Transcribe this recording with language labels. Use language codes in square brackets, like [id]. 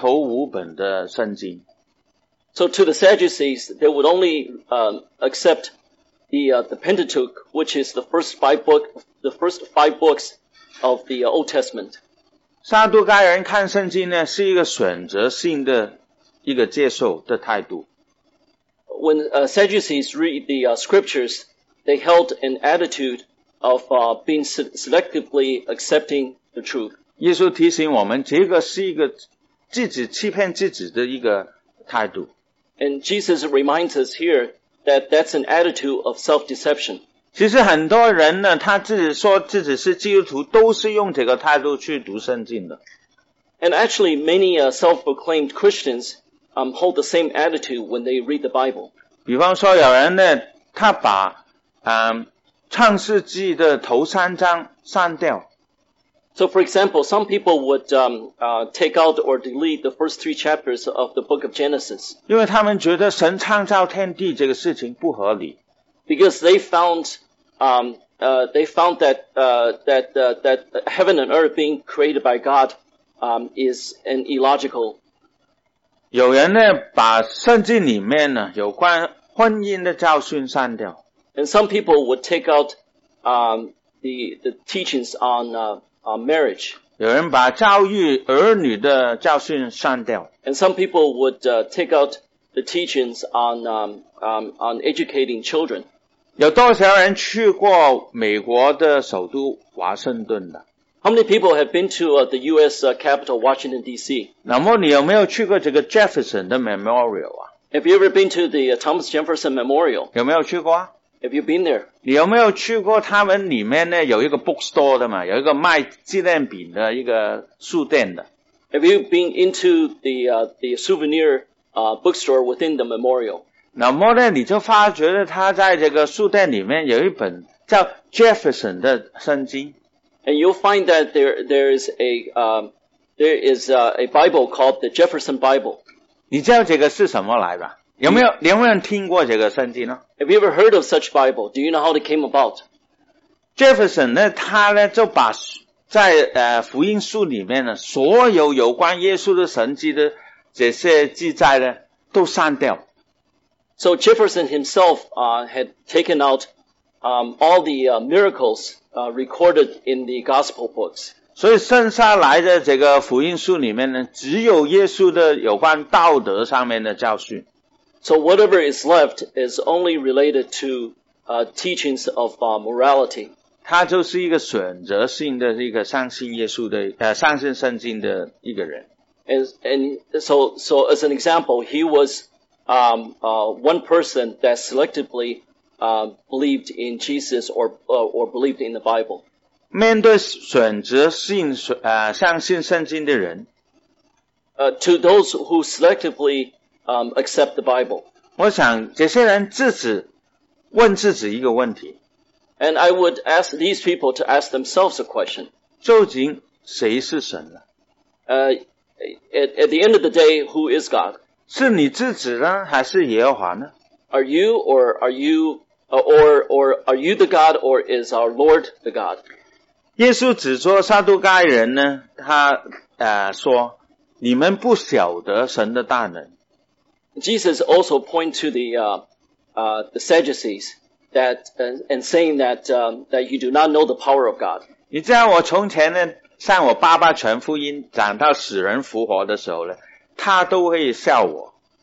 [zh] 所以对于撒都该人来说啊，他们只接受摩西五经，就是旧约圣经头五本的圣经。 [en] So to the Sadducees, they would only accept the Pentateuch, which is the first five books. Of the Old Testament. [zh] 撒都该人看圣经呢，是一个选择性的一个接受的态度。 [en] When Sadducees read the scriptures, they held an attitude of being selectively accepting the truth. [zh] 耶稣提醒我们，这个是一个自己欺骗自己的一个态度。 [en] And Jesus reminds us here that that's an attitude of self-deception. [zh] 其实很多人呢，他自己说自己是基督徒，都是用这个态度去读圣经的。 [en] And actually, many self-proclaimed Christians hold the same attitude when they read the Bible. [zh] 比方说，有人呢，他把《创世纪》的头三章删掉。 [en] So for example, some people would take out or delete the first three chapters of the book of Genesis. [zh] 因为他们觉得神创造天地这个事情不合理。 [en] Because they found that heaven and earth being created by God is an illogical. [zh] 有人呢把圣经里面呢有关婚姻的教训删掉。 [en] And some people would take out the teachings on marriage. [zh] 有人把教育儿女的教训删掉。 [en] And some people would take out the teachings on educating children. [zh] 有多少人去过美国的首都华盛顿的？ [en] How many people have been to the U.S. capital, Washington, D.C.? [zh] 那么你有没有去过这个 Jefferson 的 Memorial 啊？ [en] Have you ever been to the Thomas Jefferson Memorial? [zh] 有没有去过啊？ [en] Have you been there? [zh] 你有没有去过他们里面呢有一个 bookstore 的嘛有一个卖纪念品的一个书店的 [en] Have you been into the souvenir bookstore within the memorial? [zh] 那么呢你就发觉了他在这个书店里面有一本叫 Jefferson 的圣经 [en] And you'll find that there is a Bible called the Jefferson Bible. [zh] 你知道这个是什么来吧有没有你有没有听过这个圣经呢 [en] Have you ever heard of such Bible? Do you know how it came about? [zh] Jefferson 呢他呢就把在福音书里面呢所有有关耶稣的神迹的这些记载呢都删掉。 [en] So Jefferson himself, had taken out, all the, miracles, recorded in the gospel books. [zh] 所以剩下来的这个福音书里面呢只有耶稣的有关道德上面的教训。 [en] So whatever is left is only related to teachings of morality. [zh] 他就是一个选择性的一个相信耶稣的相信圣经的一个人。 [en] And so as an example, he was one person that selectively believed in Jesus or believed in the Bible. [zh] 面对选择性相信圣经的人 [en] to those who selectively accept the Bible. [zh] 我想这些人自己问自己一个问题。 [en] And I would ask these people to ask themselves a question. [zh] 究竟谁是神呢? [en] At the end of the day, who is God? [zh] 是你自己呢还是耶和华呢? [en] Are you the God or is our Lord the God? [zh] 耶稣指着撒都该人呢他说你们不晓得神的大能。 [en] Jesus also point to the Sadducees that and saying that that you do not know the power of God. [zh] 你知道我从前呢，向我爸爸传福音，讲到死人复活的时候呢，他都会笑我。